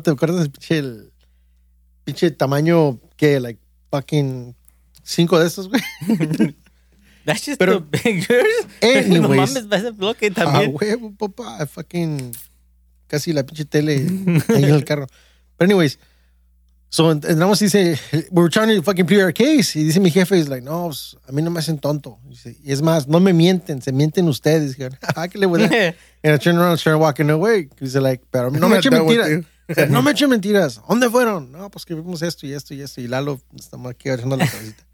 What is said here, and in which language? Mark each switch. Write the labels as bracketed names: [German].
[Spanish] ¿Te acuerdas del pinche tamaño que, [English] like, fucking [Spanish] 5 de estos, güey? [English] That's just pero, the bigger. Anyways. [Spanish] No mames, va a ser bloque también. Ah, huevo, papá, fucking casi la pinche tele ahí en el carro. [English] Pero anyways, so [Spanish] entramos y dice, [English] we're trying to fucking plead our case. [Spanish] Y dice mi jefe, es like, no, a mí no me hacen tonto. Y es más, no me mienten, se mienten ustedes. ¿Qué le voy a decir? [English] And I turn around and start walking away. [Spanish] He's like, pero no me echen mentiras. No me echen mentiras. ¿Dónde fueron? No, pues que vimos esto y esto y esto. Y Lalo, estamos aquí agarrando la cabecita.